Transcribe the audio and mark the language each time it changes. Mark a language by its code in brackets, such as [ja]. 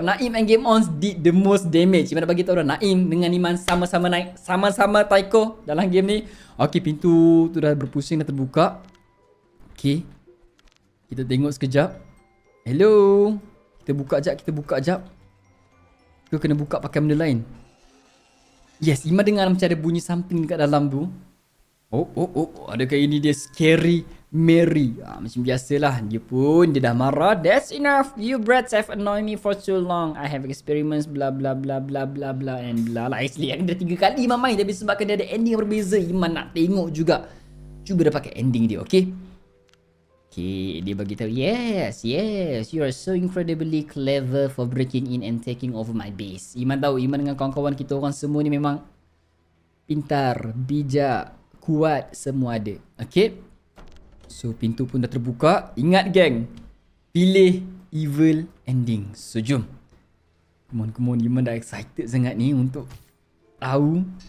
[en] Naim and Game On did the most damage. [ms] Iman dah bagi tahu dah. Naim dengan Iman sama-sama naik. Sama-sama Taiko dalam game ni. Okay, pintu tu dah berpusing, dah terbuka. Okay. Kita tengok sekejap. Hello. Kita buka jap. Kau kena buka pakai benda lain. Yes, Iman dengar macam ada bunyi something dekat dalam tu. Oh. Adakah ini dia scary Mary? Ah, macam biasalah. Dia pun dia dah marah. [en] That's enough. You brats have annoyed me for too long. I have experiments blah blah blah blah blah blah and blah lah. [ms] Actually, aku dah 3 kali Iman main. Tapi sebabkan dia ada ending yang berbeza, Iman nak tengok juga. Cuba dah pakai ending dia, okay? Okay, dia beritahu, [en] yes, you are so incredibly clever for breaking in and taking over my base. [ms] Iman tahu, Iman dengan kawan-kawan kita orang semua ni memang pintar, bijak, kuat, semua ada. Okay, so pintu pun dah terbuka. Ingat geng, pilih evil ending. So jom, [en] come on, [ms] Iman dah excited sangat ni untuk tahu.